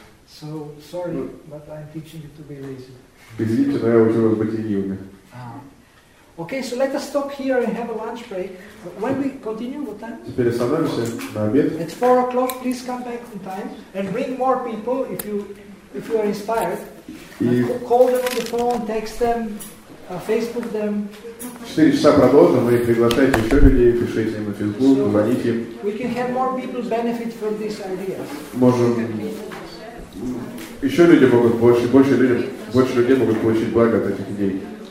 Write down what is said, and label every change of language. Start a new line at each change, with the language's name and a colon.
English: So sorry, but I'm teaching you to be lazy.
Russian: Извините, но я учу вас быть ленивыми.
English: Okay, so let us stop here and have a lunch break. When we continue, what time?
Russian: Теперь остановимся на обед.
English: At 4 o'clock, please come back in time and bring more people if you are inspired. Call them on the phone, text them, Facebook them.
Russian: 4 часа продолжим, и приглашайте еще людей, пишите им на Facebook, звоните им.
English: We can have more people benefit from this idea.
Russian: Можем. Еще люди могут больше людей могут получить благо от этих идей.